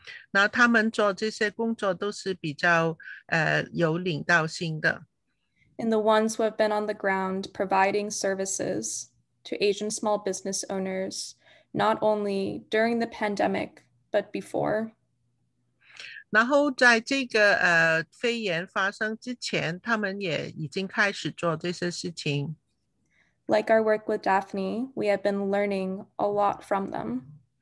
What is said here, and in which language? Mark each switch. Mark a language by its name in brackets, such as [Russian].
[Chinese] 那他们做这些工作都是比较有领导性的. [English] And the ones who have been on the ground providing services to Asian small business owners, not only during the pandemic, but before. [Chinese] 然后在这个肺炎发生之前，他们也已经开始做这些事情. [English] Like our work with Daphne, we have been learning a lot from them.